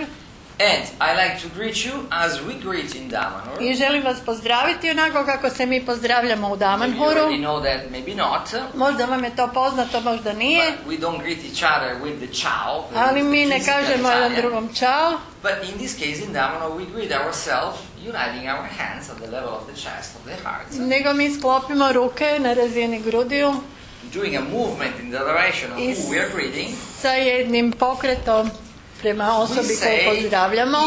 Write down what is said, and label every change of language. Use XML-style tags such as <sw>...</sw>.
<en>And I like to greet you as we greet in Damanhur.</en> <hr>I želim vas pozdraviti onako kako se mi pozdravljamo u Damanhuru.</hr> <en>You already know that, maybe not.</en> <hr>Možda vam je to poznato, možda nije.</hr> <en>But we don't greet each other with the ciao.</en> <hr>Ali mi ne kažemo jedan drugom ciao.</hr> <en>But in this case in Damanhur we greet ourselves uniting our hands at the level of the chest of the heart.</en> <hr>Nego mi sklopimo ruke na razini grudiju.</hr> <en>Doing a movement in the direction of who we are greeting.</en> <hr>Sa jednim pokretom prema osobi koju pozdravljamo.</hr>